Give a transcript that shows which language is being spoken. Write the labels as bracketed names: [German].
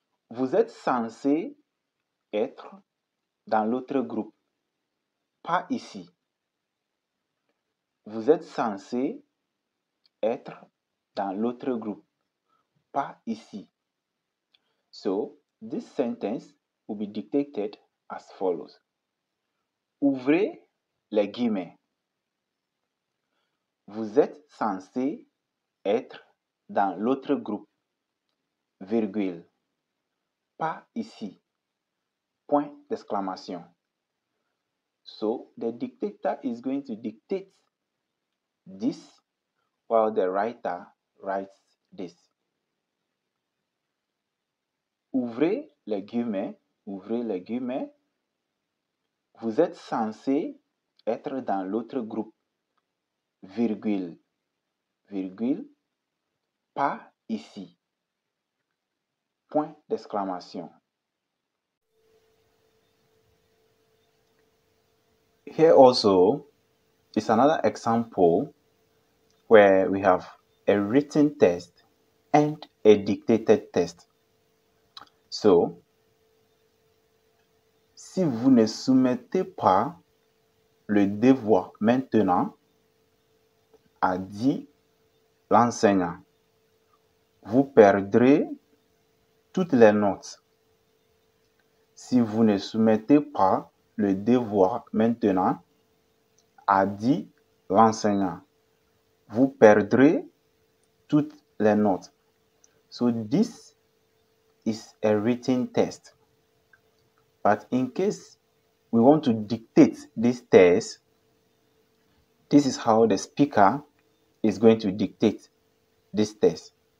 [French] Vous êtes censé être dans l'autre groupe, pas ici. Vous êtes censé être dans l'autre groupe, pas ici. [English] So, this sentence will be dictated as follows. [French] Ouvrez les guillemets. Vous êtes censé être dans l'autre groupe, virgule, pas ici, point d'exclamation. [English] So, the dictator is going to dictate this while the writer writes this. [French] Ouvrez les guillemets, ouvrez les guillemets. Vous êtes censé être dans l'autre groupe, virgule, virgule, pas ici, point d'exclamation. [English] Here also is another example where we have a written test and a dictated test. [French] So, si vous ne soumettez pas le devoir maintenant, a dit l'enseignant, vous perdrez toutes les notes. Si vous ne soumettez pas le devoir maintenant, a dit l'enseignant, vous perdrez toutes les notes. [English] So this is a written test. But in case we want to dictate this test, this is how the speaker is going to dictate this test.